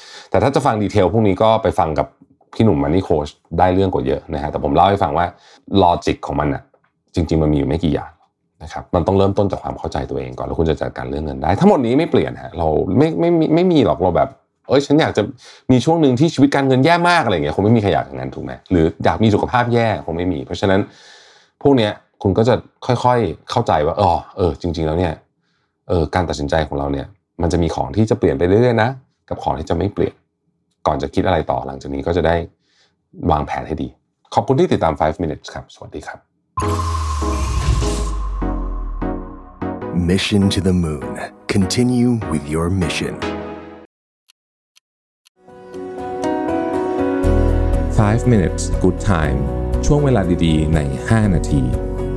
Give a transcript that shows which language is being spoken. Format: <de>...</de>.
<th>แต่ถ้าจะฟังดีเทลพวกนี้ก็ไปฟังกับพี่หนุ่มมันนี่โค้ชได้เรื่องกว่าเยอะนะฮะแต่ผมเล่าให้ฟังว่าลอจิกของมันน่ะจริงๆมันมีอยู่ไม่กี่อย่างนะครับมันต้องเริ่มต้นจากความเข้าใจตัวเองก่อนแล้วคุณจะจัดการเรื่องเงินได้ทั้งหมดนี้ไม่เปลี่ยนฮะเราไม่มีหรอกเราแบบเอ้ยฉันอยากจะมีช่วงนึงที่ชีวิตการเงินแย่มากอะไรเงี้ยคงไม่มีใครอยากอย่างนั้นถูกมั้ยหรืออยากมีสุขภาพแย่คงไม่มีเพราะฉะนั้นพวกเนี้ยคุณก็จะค่อยๆเข้าใจว่าเออจริงๆแล้วเนี่ย การตัดสินใจของเราเนี่ยมันจะมีของที่จะเปลี่ยนไปเรื่อยๆนะกับของที่จะไม่เปลี่ยนก่อนจะคิดอะไรต่อหลังจากนี้ก็จะได้วางแผนให้ดีขอบคุณที่ติดตาม</th> <en>5 minutes</en> <th>ครับสวัสดีครับ</th> <en>Mission to the Moon Continue with your mission 5 minutes good time</en> <th>ช่วงเวลาดีๆใน5นาที</th>